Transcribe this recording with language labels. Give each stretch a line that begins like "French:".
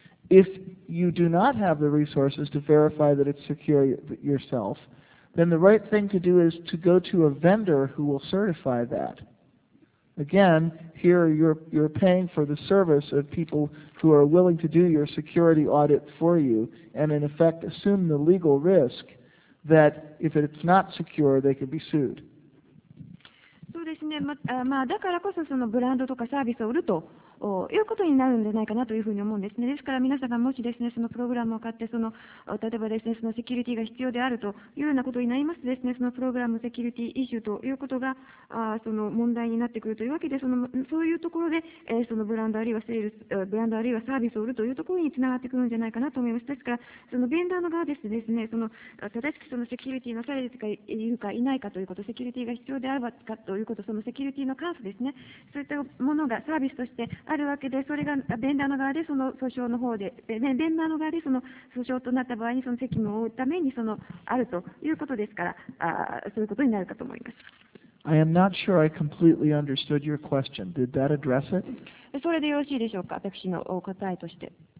English: If you do not have the resources to verify that it's secure yourself, then the right thing to do is to go to a vendor who will certify that. Again, here you're paying for the service of people who are willing to do your security audit for you and in effect assume the legal risk. That if it's not secure, they can be sued.
Japanese: そうですね。まあ、だからこそそのブランドとかサービスを売るということになるんじゃないかなというふうに思うんですね。ですから皆さんがもしですね、そのプログラムを買って、その例えばですね、そのセキュリティが必要であるというようなことになりますとですね、そのプログラムセキュリティイシューということがその問題になってくるというわけで、そういうところで、そのブランドあるいはセールス、ブランドあるいはサービスを売るというところにつながってくるんじゃないかなと思います。ですから、そのベンダーの側ですね、その正しくそのセキュリティなされているかいないかということ、セキュリティが必要であればかということ、そのセキュリティの関数ですね、そういったものがサービスとしてあるわけで、それがベンダーの側でその訴訟の方で、ベンダーの側でその訴訟となった場合にその責務を負うためにそのあるということですから、そういうことになるかと思います。
English: I am not sure I completely understood your question. Did that address it?
Japanese: それでよろしいでしょうか、私の答えとして。